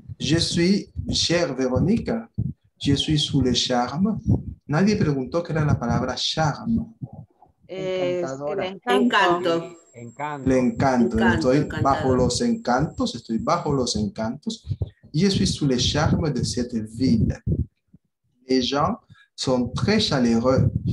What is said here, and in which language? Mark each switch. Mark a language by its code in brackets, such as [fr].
[fr] Je suis, chère Véronique, je suis sous le charme. [es] Nadie preguntó qué era la palabra charme. Encanto. Le encanto. Encanto. Estoy encantado. Bajo los encantos. Estoy bajo los encantos. [fr] Je suis sous le charme de cette ville. Les gens sont très chaleureux.